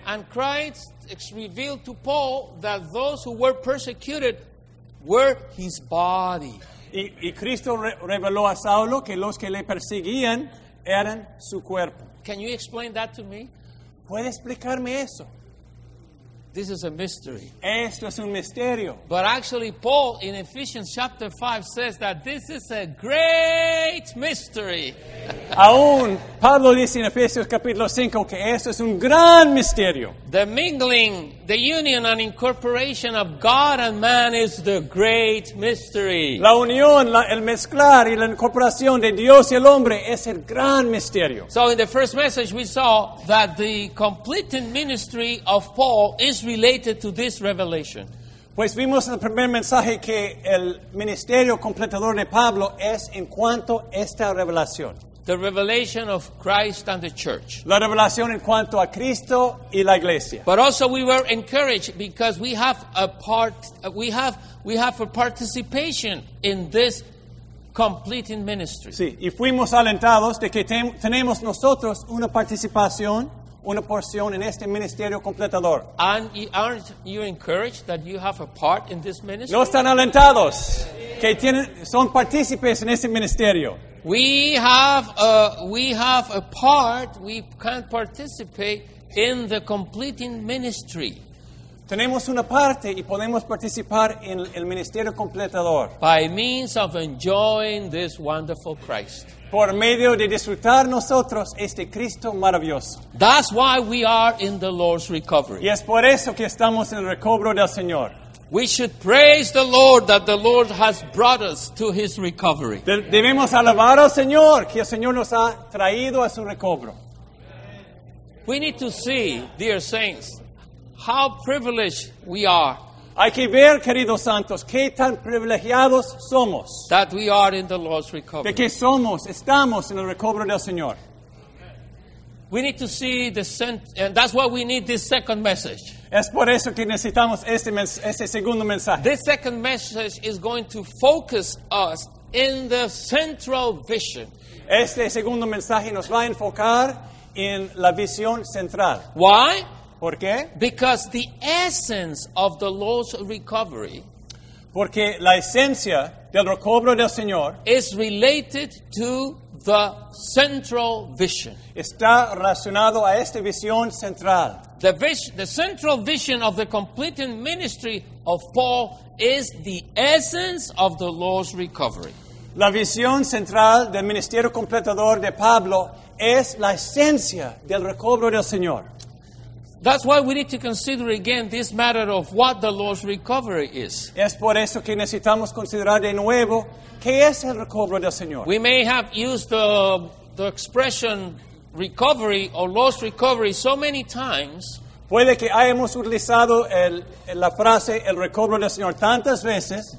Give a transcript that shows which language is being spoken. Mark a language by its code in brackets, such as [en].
[en] And Christ revealed to Paul that those who were persecuted were his body. [es] Y Cristo reveló a Saulo que los que le perseguían eran su cuerpo. [en] Can you explain that to me? [es] ¿Puede explicarme eso? [en] This is a mystery. [es] Esto es un misterio. [en] But actually, Paul in Ephesians chapter 5 says that this is a great mystery. [es] Aún Pablo dice en Efesios capítulo 5 que esto es un gran misterio. [en] The mingling, the union and incorporation of God and man is the great mystery. [es] La unión, el mezclar y la incorporación de Dios y el hombre es el gran misterio. [en] So in the first message we saw that the completed ministry of Paul is related to this revelation. [es] Pues vimos en el primer mensaje que el ministerio completador de Pablo es en cuanto a esta revelación. [en] The revelation of Christ and the church. [es] La revelación en cuanto a Cristo y la iglesia. [en] But also we were encouraged because we have a part, we have a participation in this completing ministry. [es] Sí, y fuimos alentados de que tenemos nosotros una participación, una porción en este ministerio completador. [en] And aren't you encouraged that you have a part in this ministry? [es] No están alentados que son partícipes en este ministerio. [en] We have a part. We can participate in the completing ministry. [es] Tenemos una parte y podemos participar en el ministerio completador. [en] By means of enjoying this wonderful Christ. [es] Por medio de disfrutar nosotros este Cristo maravilloso. [en] That's why we are in the Lord's recovery. [es] Y es por eso que estamos en el recobro del Señor. [en] We should praise the Lord that the Lord has brought us to His recovery. [es] Debemos alabar al Señor que el Señor nos ha traído a su recobro. [en] We need to see, dear saints, how privileged we are. [es] Hay que ver, queridos santos, qué tan privilegiados somos. [en] That we are in the Lord's recovery. [es] De que somos, estamos en el recobro del Señor. [en] We need to see the and that's why we need this second message. [es] Es por eso que necesitamos este segundo mensaje. [en] This second message is going to focus us in the central vision. [es] Este segundo mensaje nos va a enfocar en la visión central. [en] Why? [es] ¿Por qué? [en] Because the essence of the Lord's recovery. [es] Porque la esencia del recobro del Señor [en] is related to the central vision. [es] Está relacionado a esta visión central. [en] The central vision of the completed ministry of Paul is the essence of the Lord's recovery. [es] La visión central del ministerio completador de Pablo es la esencia del recobro del Señor. [en] That's why we need to consider again this matter of what the Lord's recovery is. [es] Es por eso que necesitamos considerar de nuevo qué es el recobro del Señor. [en] We may have used the expression recovery or Lord's recovery so many times. [es] Puede que hayamos utilizado la frase el recobro del Señor tantas veces.